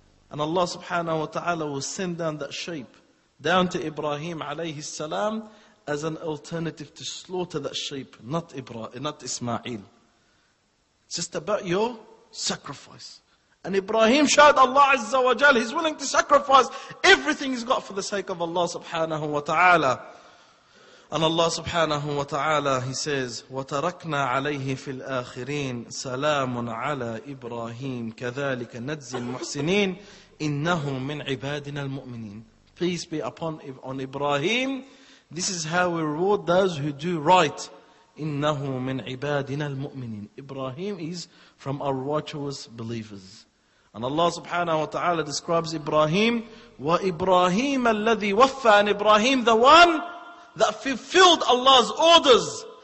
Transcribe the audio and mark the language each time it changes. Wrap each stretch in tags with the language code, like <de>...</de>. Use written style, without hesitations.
<en>And Allah subhanahu wa ta'ala will send down that sheep down to Ibrahim alayhi salam as an alternative to slaughter that sheep, not Ismail. It's just about your sacrifice. And Ibrahim showed Allah Azza wa Jal, he's willing to sacrifice everything he's got for the sake of Allah subhanahu wa ta'ala. And Allah subhanahu wa ta'ala, He says,</en> <ar>وَتَرَكْنَا عَلَيْهِ فِي الْآخِرِينَ سَلَامٌ عَلَى إِبْرَاهِيمَ كَذَلِكَ نَجْزِي الْمُحْسِنِينَ إِنَّهُ مِنْ عِبَادِنَا الْمُؤْمِنِينَ</ar> <en>Peace be upon Ibrahim. This is how we reward those who do right.</en> <ar>إِنَّهُ مِنْ عِبَادِنَا الْمُؤْمِنِينَ</ar> <en>Ibrahim is from our righteous believers. And Allah subhanahu wa ta'ala describes Ibrahim,</en> <ar>وَإِبْرَاهِيمَ الَّذِي وَفَّى</ar> <en>And Ibrahim, the one that fulfilled Allah's orders.</en>